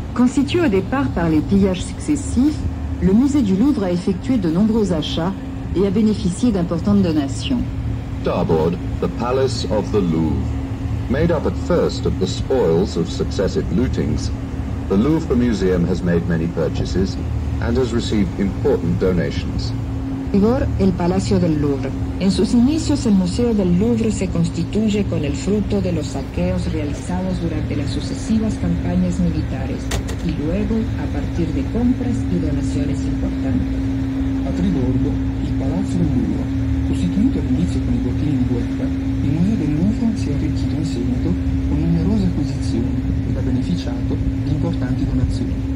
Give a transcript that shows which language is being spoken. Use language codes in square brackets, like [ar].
[fr] Constitué au départ par les pillages successifs, le musée du Louvre a effectué de nombreux achats et a bénéficié d'importantes donations. [en] Starboard, the palace of the Louvre. Made up at first of the spoils of successive lootings, the Louvre Museum has made many purchases and has received important donations. [es] Vigor, el Palacio del Louvre. En sus inicios, el Museo del Louvre se constituye con el fruto de los saqueos realizados durante las sucesivas campañas militares y luego a partir de compras y donaciones importantes. A Tribordo, el Palacio del Louvre. [it] Costituito all'inizio con i cortili di guerra, il Museo del Louvre si è arricchito in seguito con numerose acquisizioni ed ha beneficiato di importanti donazioni.